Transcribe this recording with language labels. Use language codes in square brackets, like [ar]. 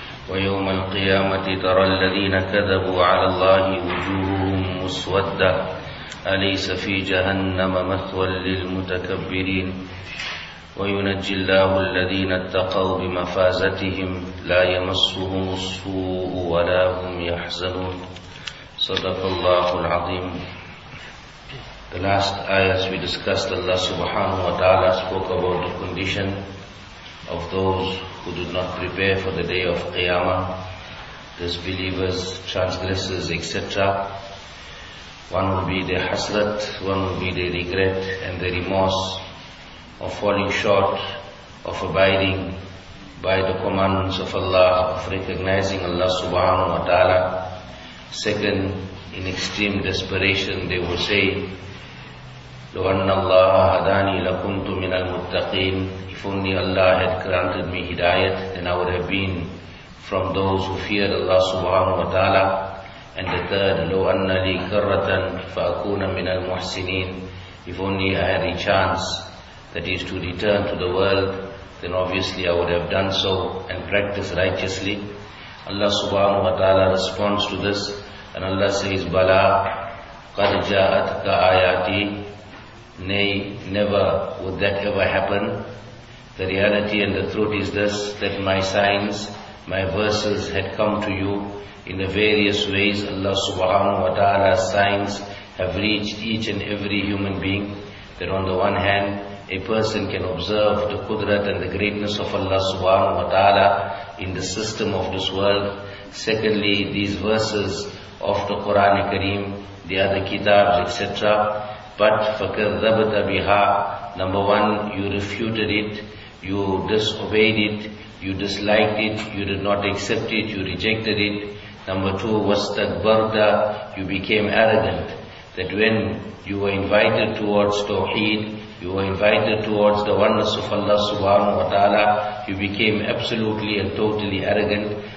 [ar] ويوم القيامة ترى الذين كذبوا على الله وجوههم مسودة أليس في جهنم مثوى للمتكبرين. وينجي الله الذين اتقوا بمفازتهم لا يمسهم السوء ولا هم يحزنون. صدق الله العظيم. [en] The last ayahs we discussed, Allah subhanahu wa ta'ala spoke about the condition of those who did not prepare for the day of Qiyamah, disbelievers, transgressors, etc. One will be their hasrat, one will be their regret and their remorse of falling short, of abiding by the commandments of Allah, of recognizing Allah subhanahu wa ta'ala. Second, in extreme desperation, they will say, [ar] لو أن الله هداني لكنت من المتقين. [en] If only Allah had granted me hidayat, then I would have been from those who feared Allah subhanahu wa ta'ala. And the third, [ar] لو أن لي كرة فأكون من المحسنين. [en] If only I had a chance, that is to return to the world, then obviously I would have done so and practiced righteously. Allah subhanahu wa ta'ala responds to this, and Allah says, Bala qad ja'atka ayati. Nay, never would that ever happen. The reality and the truth is this, that my signs, my verses had come to you in the various ways. Allah subhanahu wa ta'ala's signs have reached each and every human being, that on the one hand, a person can observe the qudrat and the greatness of Allah subhanahu wa ta'ala in the system of this world. Secondly, these verses of the Qur'an Kareem, the other kitabs, etc. But [ar] فَكَذَّبْتَ بِهَا. [en] Number one, you refuted it, you disobeyed it, you disliked it, you did not accept it, you rejected it. Number two, وَاسْتَكْبَرْتَ. You became arrogant, that when you were invited towards Tawheed, you were invited towards the oneness of Allah subhanahu wa ta'ala, you became absolutely and totally arrogant.